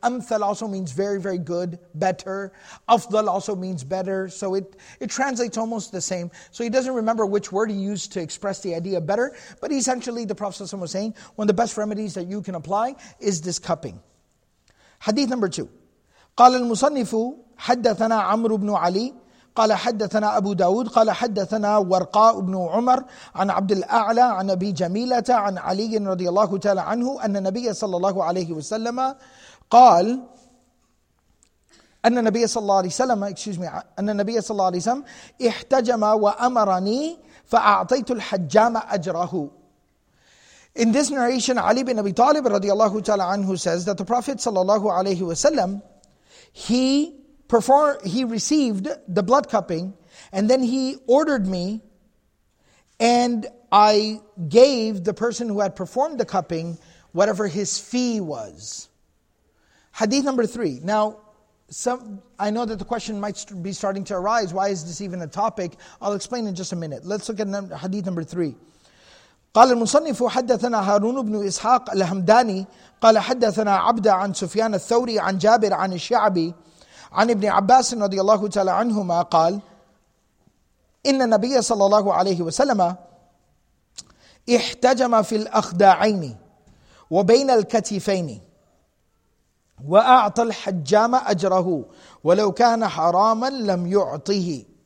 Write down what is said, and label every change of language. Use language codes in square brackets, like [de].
[en] Amthal also means very, very good, better. Afdal also means better. So it translates almost the same. So he doesn't remember which word he used to express the idea better. But essentially the Prophet was saying, one of the best remedies that you can apply is this cupping. Hadith number two. [ar] قال المصنف حدثنا عمرو بن علي قال حدثنا أبو داود قال حدثنا ورقاء بن عمر عن عبد الأعلى عن أبي جميلة عن علي رضي الله تعالى عنه أن النبي صلى الله عليه وسلم قال أن النبي صلى الله عليه وسلم أن النبي صلى الله عليه وسلم احتجم وأمرني فأعطيت الحجام أجره. [en] In this narration, Ali bin Abi Talib [ar] رضي الله تعالى عنه [en] says that the Prophet [ar] صلى الله عليه وسلم [en] he received the blood cupping and then he ordered me and I gave the person who had performed the cupping whatever his fee was. Hadith number three. Now, I know that the question might be starting to arise. Why is this even a topic? I'll explain in just a minute. Let's look at hadith number three. [ar] قال المصنف حدثنا هارون بن إسحاق الهمداني قال حدثنا عبد عن سفيان الثوري عن جابر عن الشعبي عن ابن عباس رضي الله تعالى عنهما قال إن النبي صلى الله عليه وسلم احتجم في الأخداعين وبين الكتفين وأعطى الحجام أجره ولو كان حراما لم يعطيه.